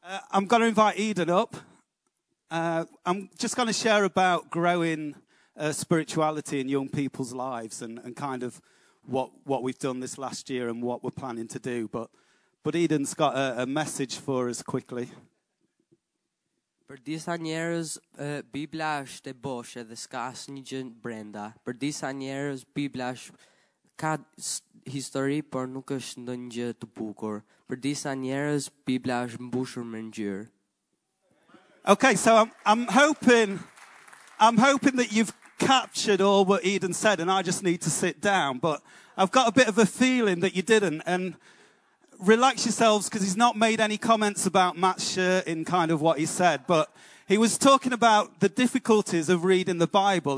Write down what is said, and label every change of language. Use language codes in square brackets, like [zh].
[en] I'm going to invite Eden up. I'm just going to share about growing spirituality in young people's lives and kind of what we've done this last year and what we're planning to do. But Eden's got a message for us quickly. [sq] Për disa njerëz, Bibla është e boshë dhe s'ka asnjë gjë brenda. Për disa njerëz, Bibla ka histori, por nuk është ndonjë gjë të bukur. Për disa njerëz, Bibla është mbushur me ngjyrë. [en] Okay, so I'm hoping that you've captured all what Eden said, and I just need to sit down. But I've got a bit of a feeling that you didn't, and relax yourselves, because he's not made any comments about Matt's shirt in kind of what he said, but he was talking about the difficulties of reading the Bible.